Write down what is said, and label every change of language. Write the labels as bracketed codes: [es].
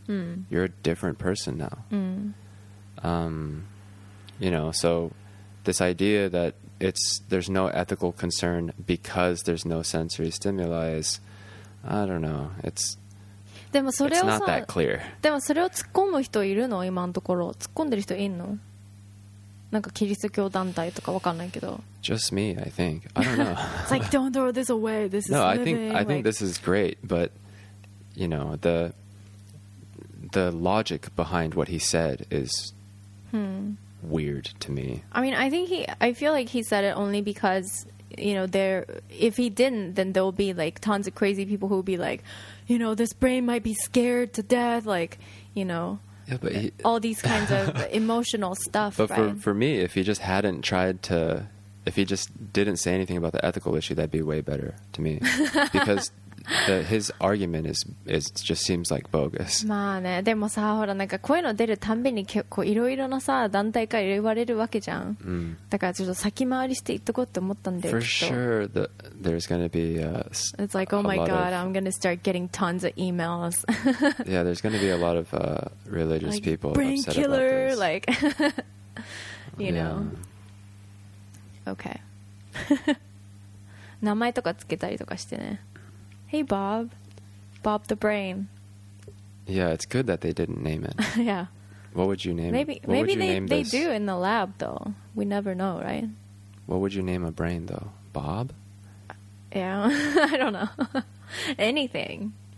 [en] Mm. You're a different person now. Mm. You know, so this idea that there's no ethical concern because there's no sensory stimuli is, I don't know, it's not that clear. [ja] でもそれを突っ込む人いるの今のところ突っ込んでる人いんのなんかキリスト教団体とかわかんないけど。 [en] Just me, I think. I don't know. It's like, don't throw this away. This is living. I think this is great, but you know, the logic behind what he said is weird to me. I mean, I feel like he said it only because, you know, if he didn't, then there'll be like tons of crazy people who'll be like, you know, this brain might be scared to death, like, you know. Yeah, but all these kinds of emotional stuff. But for me, if he just didn't say anything about the ethical issue, that'd be way better to me. Because his argument is just seems like bogus. [ja] まあね、でもさ、ほらなんかこういうの出るたんびに結構いろいろなさ団体から言われるわけじゃん。 Mm. だからちょっと先回りして言っとこうって思ったんで。 [en] For sure, there's gonna be. It's like, oh my god, I'm gonna start getting tons of emails. Yeah, there's gonna be a lot of religious like, people brain upset killer, about this. Like, you know. Okay. [ja] 名前とかつけたりとかしてね。 [en] Hey Bob, Bob the Brain. Yeah, it's good that they didn't name it. Yeah. What would you name? Maybe they do in the lab though. We never know, right? What would you name a brain though, Bob? Yeah, I don't know. Anything.